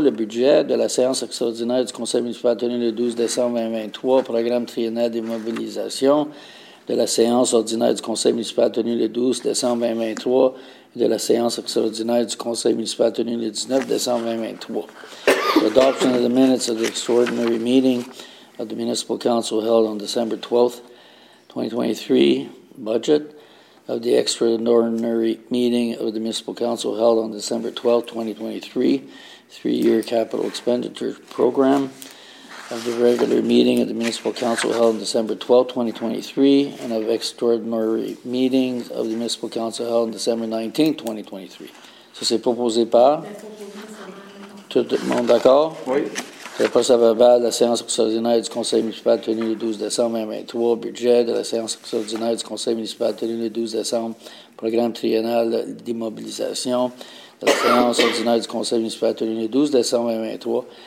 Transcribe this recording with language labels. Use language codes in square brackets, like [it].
[fr] Le budget de la séance extraordinaire du conseil municipal tenue le 12 décembre 2023. Programme triennal d'immobilisation de la séance ordinaire du conseil municipal tenue le 12 décembre 2023. Et de la séance extraordinaire du conseil municipal tenue le 19 décembre 2023. [en] The adoption of the minutes of the extraordinary meeting of the municipal council held on December 12th. 2023 budget of the extraordinary meeting of the municipal council held on December 12, 2023, three-year capital expenditure program of the regular meeting of the municipal council held on December 12, 2023, and of extraordinary meetings of the municipal council held on December 19, 2023. [fr] Ça, c'est proposé par? Tout le monde d'accord? Oui. Le procès verbal de la séance extraordinaire du conseil municipal tenue le 12 décembre 2023. Budget de la séance extraordinaire du conseil municipal tenue le 12 décembre. Programme triennal d'immobilisation de la séance ordinaire du conseil municipal tenue le 12 décembre 2023.